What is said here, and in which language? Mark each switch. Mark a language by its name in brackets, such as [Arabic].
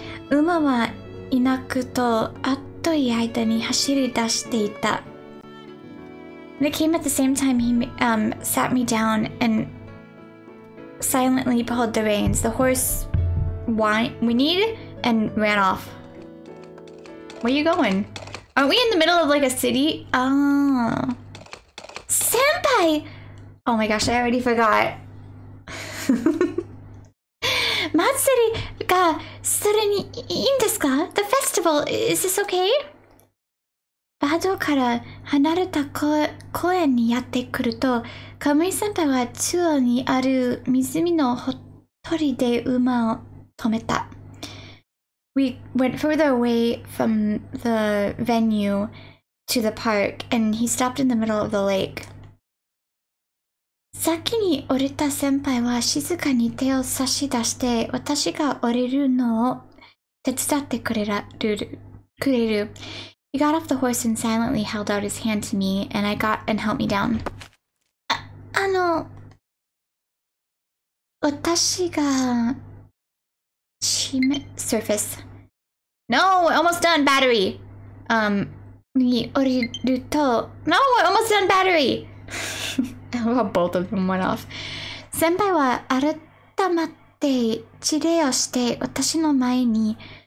[Japanese] 馬はいなくとあっという間に走り出していた。 [English] And it came at the same time he sat me down and silently pulled the reins. The horse whinnied and ran off. Where are you going? Aren't we in the middle of like a city? Oh. Senpai! Oh my gosh, I already forgot. [Japanese] Matsuri ga sore ni iin desu ka? [English] The festival, is this okay? [Japanese] バードから離れた公園にやってくると、カムイ先輩は中央にある湖のほとりで馬を止めた。 [English] We went further away from the venue to the park, and he stopped in the middle of the lake. [Japanese] 先に降りた先輩は静かに手を差し出して、私が降りるのを手伝ってくれる。 [English] He got off the horse and silently held out his hand to me, and I got and helped me down. [Japanese] 私が [English] 地面 surface. No, almost done battery. [Japanese] に降りると [English] No, almost done battery. I love how both of them went off. [Japanese] 先輩は改まって地礼をして私の前に。